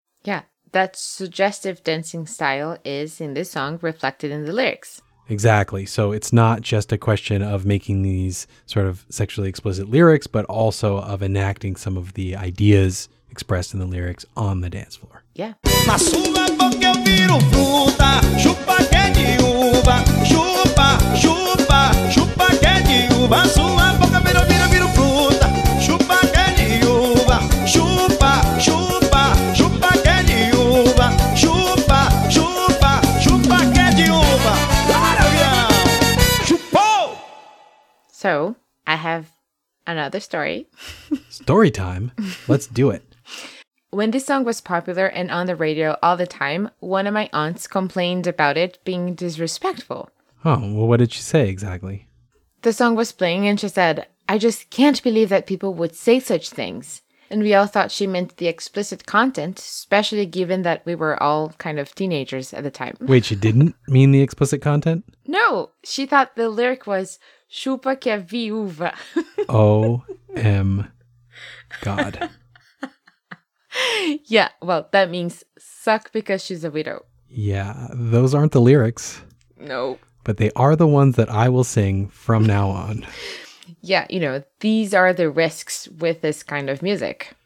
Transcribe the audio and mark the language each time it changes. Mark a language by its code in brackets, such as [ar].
[en] Yeah, that suggestive dancing style is, in this song, reflected in the lyrics. Exactly. So it's not just a question of making these sort of sexually explicit lyrics, but also of enacting some of the ideas expressed in the lyrics on the dance floor. Yeah. [pt] Na sua boca eu viro fruta, chupa que é de uva, chupa, chupa, chupa que é de uva. Na sua boca eu viro fruta, chupa que é de uva, chupa, chupa, chupa que é de uva, chupa, chupa, chupa que é de uva. Maravilha! Chupou! [en] So, I have another story. Story time? Let's do it. When this song was popular and on the radio all the time, one of my aunts complained about it being disrespectful. Oh, well, what did she say exactly? The song was playing and she said, I just can't believe that people would say such things. And we all thought she meant the explicit content, especially given that we were all kind of teenagers at the time. Wait, she didn't mean the explicit content? No, she thought the lyric was, [pt] chupa que é viúva. [en] O-M-God. Yeah, well, that means suck because she's a widow. Yeah, those aren't the lyrics. No. But they are the ones that I will sing from now on. Yeah, you know, these are the risks with this kind of music.